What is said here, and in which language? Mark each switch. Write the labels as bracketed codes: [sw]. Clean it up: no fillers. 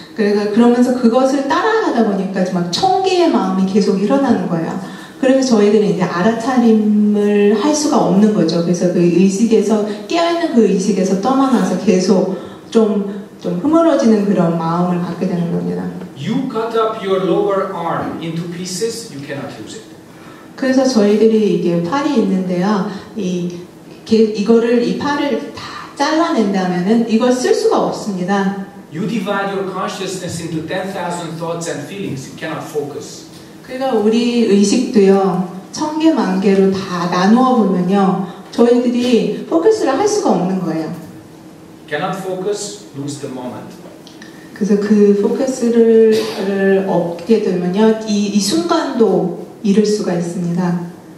[ko] 그러니까 그러면서 그것을 따라하다 보니까 막 청기의 마음이 계속 일어나는 거예요. 그래서 저희들은 이제 알아차림을 할 수가 없는 거죠. 그래서 그 의식에서 깨어있는 그 의식에서 떠나서 계속 좀 흐물어지는 그런 마음을 갖게 되는 겁니다. [en] You cut up your lower arm into pieces, you cannot use it. [ko] 그래서 저희들이 이게 팔이 있는데요. 이거를 이 팔을 다 잘라낸다면은 이걸 쓸 수가 없습니다. [en] You divide your consciousness into 10,000 thoughts and feelings. You cannot focus. [ko] 그러니까 우리 의식도요, 천 개 만 개로 다 나누어 보면요, 저희들이 포커스를 할 수가 없는 거예요. [en] Cannot focus, lose the moment. [ko] 그래서 그 포커스를 얻게 되면요, 이 순간도 잃을 수가 있습니다.